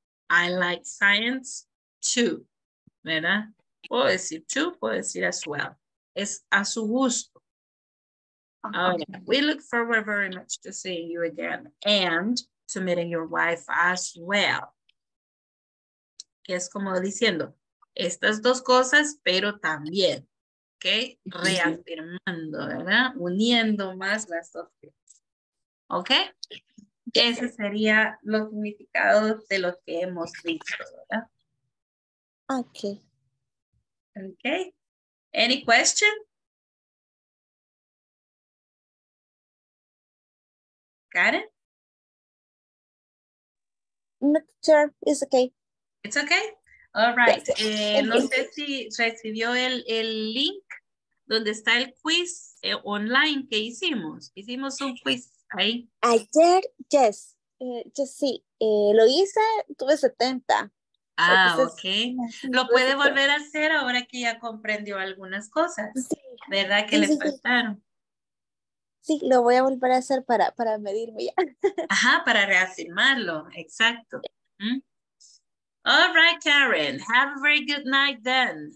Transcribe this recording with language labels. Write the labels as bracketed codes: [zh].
[en] I like science too. [es] ¿Verdad? Puedo decir to, puedo decir [en] as well. [es] Es a su gusto. Okay. [en] We look forward very much to seeing you again and to meeting your wife as well. [es] Que es como diciendo, estas dos cosas, pero también, ¿ok? Reafirmando, ¿verdad? Uniendo más las dos cosas. ¿Ok? Ese sería los significados de los que hemos visto, ¿verdad? [en] Okay. Okay. Any question? Karen? No, teacher, it's okay. It's okay? All right. Yes. [es] No sé si recibió el link donde está el quiz online que hicimos. Hicimos un quiz. Okay. Ayer, yes, sí, lo hice, tuve 70. Ah, entonces, ok. Lo puede volver a hacer ahora que ya comprendió algunas cosas, sí. ¿Verdad? Que sí, le faltaron. Sí, lo voy a volver a hacer para medirme ya. Ajá, para reafirmarlo, exacto. ¿Mm? [en] All right, Karen, have a very good night then.